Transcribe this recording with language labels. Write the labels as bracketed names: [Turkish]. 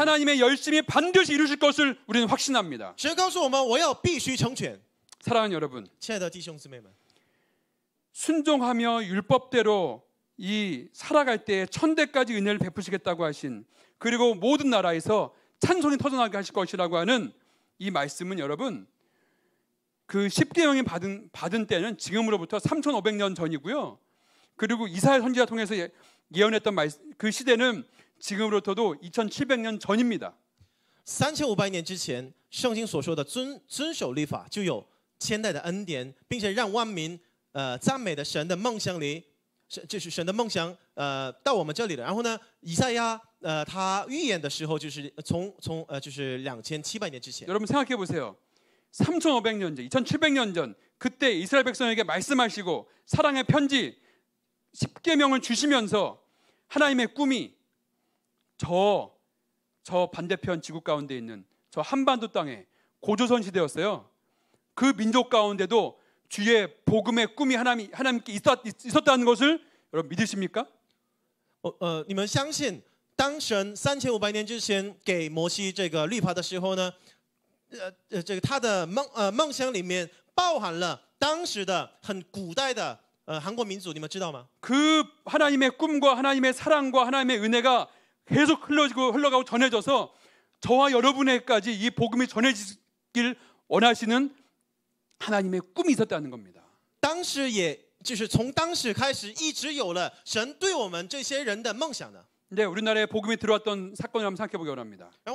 [Korean] 하나님의 열심이 반드시 이루실 것을 우리는 확신합니다. [Chinese] 神告诉我们，我要必须成全。 [Korean] 사랑하는 여러분, [Chinese] 亲爱的弟兄姊妹们， [Korean] 순종하며 율법대로 이 살아갈 때 천대까지 은혜를 베푸시겠다고 하신, 그리고 모든 나라에서 찬송이 터져나가게 하실 것이라고 하는 이 말씀은 여러분, 그 십계명이 받은 때는 지금으로부터 3500년 전이고요. 그리고 이사야 선지자 통해서 예언했던 그 시대는 지금으로부터도 2700년 전입니다. 3500년 전, [Chinese] 圣经所说的遵守律法，就有千代的恩典，并且让万民赞美的神的梦想里，就是神的梦想到我们这里了。然后呢，以赛亚他预言的时候，就是从2700年之前。 [Korean] 여러분 생각해 보세요. 3500년 전, 2700년 전 그때 이스라엘 백성에게 말씀하시고 사랑의 편지 십계명을 주시면서 하나님의 꿈이 저 반대편 지구 가운데 있는 저 한반도 땅에 고조선 시대였어요. 그 민족 가운데도 주의 복음의 꿈이 하나님께 있었다는 것을 여러분 믿으십니까? 여러분, [Chinese] 你们相信当神 3500年之前给摩西这个律法的时候呢，这个他的梦想里面包含了当时的很古代的韩国民族，你们知道吗？ [Korean] 그 하나님의 꿈과 하나님의 사랑과 하나님의 은혜가 계속 흘러지고 흘러가고 전해져서 저와 여러분에게까지 이 복음이 전해지길 원하시는 하나님의 꿈이 있었다는 겁니다. 당시에 [Chinese] 就是从当时开始一直有了神对我们这些人的梦想的. [Korean] 네, 우리나라에 복음이 들어왔던 사건을 한번 생각해 보기 원합니다.